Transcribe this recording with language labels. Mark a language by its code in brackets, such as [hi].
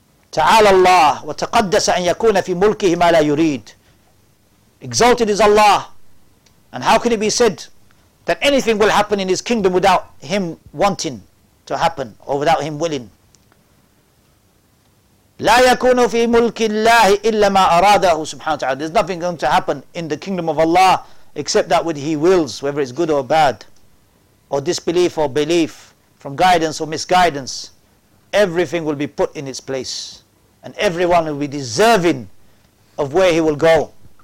[ar] Ta'ala Allah wa taqaddasa an yakuna fi mulkihi ma la yurid. [en] Exalted is Allah. And how can it be said that anything will happen in his kingdom without him wanting to happen or without him willing? [ar] لا يكون في ملك الله إلا ما أراده سبحانه وتعالى. [en] There's nothing going to happen in the kingdom of Allah except that what He wills, whether it's good or bad, or disbelief or belief, from guidance or misguidance. Everything will be put in its place, and everyone will be deserving of where he will go.